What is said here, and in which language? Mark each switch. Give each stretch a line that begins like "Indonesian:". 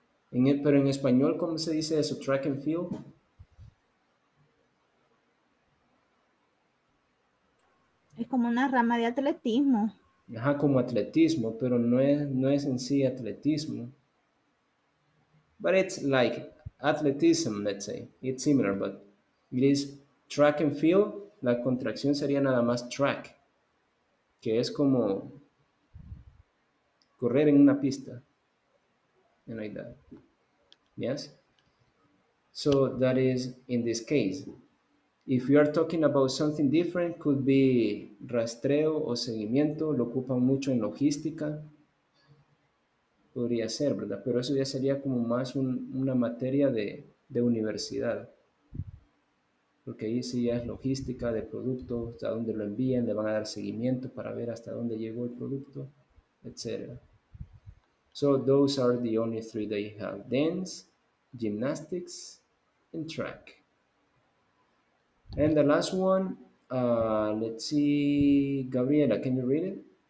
Spanish: En el, pero en español, ¿cómo se dice eso?
English: Track and field.
Spanish: Es como una rama de atletismo. Ajá, como atletismo, pero no es, no es en sí atletismo.
English: But it's like athleticism, let's say. It's similar, but it is track and field.
Spanish: La contracción sería nada más track, que es como correr en una pista.
English: And like that. Yes? So that is in this case. If you are talking about something different, could be
Spanish: rastreo o seguimiento, lo ocupan mucho en logística. Podría ser, ¿verdad? Pero eso ya sería como más un, una materia de universidad. Porque ahí sí ya es logística de producto, hasta dónde lo envían, le van a dar seguimiento para ver hasta dónde llegó el producto, etc.
English: So those are the only three that you have: dance, gymnastics, and track. And the last one, let's see, Gabriela, can you read it?